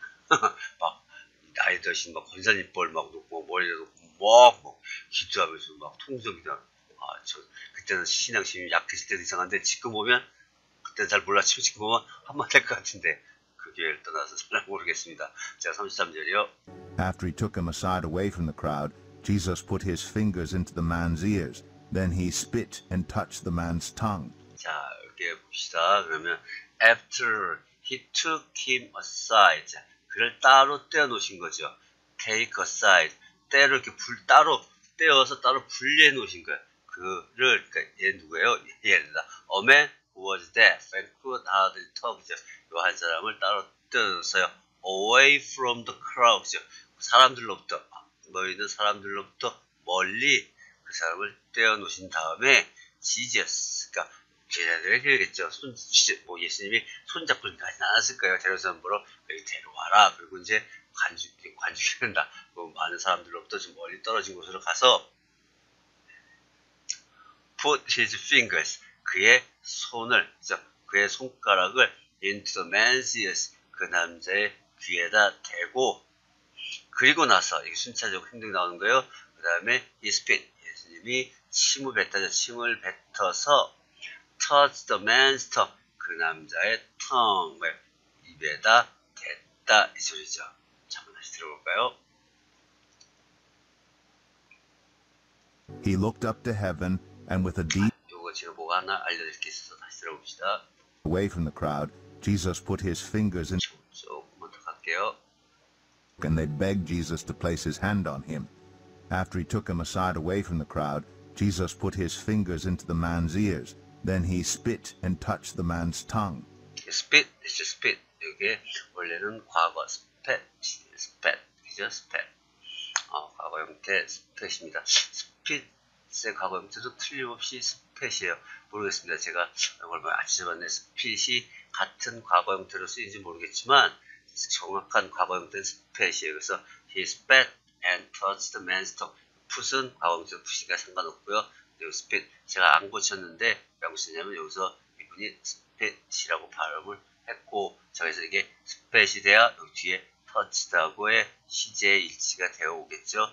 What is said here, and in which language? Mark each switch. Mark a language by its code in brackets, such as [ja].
[ko] 막 나이 드신 막 권사님 뻘막 놓고 머리도 막 기도하면서 막 통성기도 하고. 아, 저 그때는 신앙심이 약했을 때도 이상한데 지금 보면 그때는 잘 몰랐지만 지금 보면 한마디 할것 같은데 그 교회를 떠나서 잘 모르겠습니다. 제가 33절이요. [en] After he took him aside away from the crowd, Jesus put his fingers into the man's ears. Then he spit and touched the man's tongue. [ko] 자, 이렇게 봅시다. 그러면 [en] after he took him aside, [ko] 자, 그를 따로 떼어놓으신 거죠. [en] Take aside, [ko] 떼를 이렇게 따로 떼어서 따로 분리해 놓으신 거예요. 그를, 그러니까 얘 누구예요? 얘입니다. [en] A man who was deaf and could hardly talk. [ko] 요 한 사람을 따로 떼어놓으세요. [en] Away from the crowd, [ko] 사람들로부터, 뭐 있는 사람들로부터 멀리 그 사람을 떼어놓으신 다음에 Jesus, 그러니까 제자들이 그랬겠죠. 뭐 예수님이 손잡고 가진 않았을 거예요. 대로선부로 데려와라. 그리고 이제 관직된다. 뭐 많은 사람들로부터 좀 멀리 떨어진 곳으로 가서 [en] put his fingers, [ko] 그의 손을, 그의 손가락을 [en] into the man's ears, [ko] 그 남자의 귀에다 대고, 그리고 나서, 이게 순차적으로 행동이 나오는 거예요. 그 다음에 [en] he spit, [ko] 예수님이 침을 뱉어서, 침을 뱉어서 [en] touch the man's tongue, [ko] 그 남자의 tongue, 입에다 댔다, 이 소리죠. 잠깐 다시 들어볼까요? [en] He looked up to heaven and with a deep [ko] 요거 제가 뭐가 하나 알려드릴 게 있어서 다시 들어봅시다. [en] Away from the crowd, Jesus put his fingers in [ko] 조금만 더 갈게요. [en] And they begged Jesus to place his hand on him. After he took him aside away from the crowd, Jesus put his fingers into the man's ears. Then he spit and touched the man's tongue. Spit, it's a spit. [ko] 이게 원래는 과거 [en] spit, 그죠? Spit. [ko] 과거 형태 spit입니다. Spit의 과거 형태도 틀림없이 spit이에요. 모르겠습니다. 제가 얼마 아침에 spit이 같은 과거 형태로 쓰인지 모르겠지만 정확한 과거 형태는 spit이에요. [en] 그래서 he spit and touched the man's tongue. [ko] Put은 과거 형태로 put이니까 상관없고요. 여기 spit 제가 안 고쳤는데 왜 안 고쳤냐면 여기서 이분이 spit이라고 발음을 했고 저에서 이게 spit이 돼야 여기 뒤에 touched하고의 시제의 일치가 되어 오겠죠.